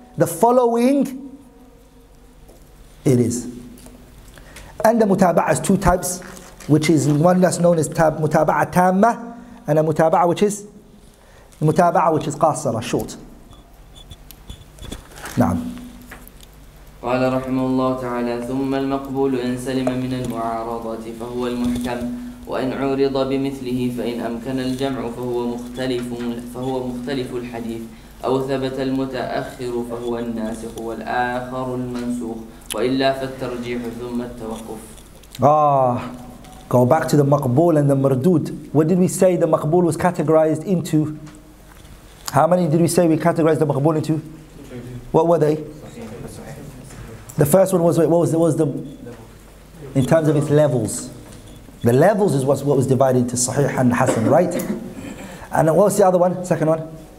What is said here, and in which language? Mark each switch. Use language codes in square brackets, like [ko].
[en] The following, it is. And the mutaba'ah has two types, which is one that's known as mutaba'ah tamma, and a mutaba'ah which is mutaba'ah which is qasara, short. [ar] نعم. قال رحمه الله تعالى ثم المقبول إن سلم من المعارضة فهو المحكم وإن عرض بمثله فإن أمكن الجمع فهو مختلف الحديث أو ثبت المتأخر فهو الناسخ والآخر المنسوخ وإلا فالترجيح ثم التوقف. [en] Go back to the maqbool and the mardood. What did we say the maqbool was categorized into? How many did we say we categorized the maqbool into? What were they? The first one was, what was the in terms of its levels. The levels is what was divided into sahih and hasan, right? And what was the other one, second one?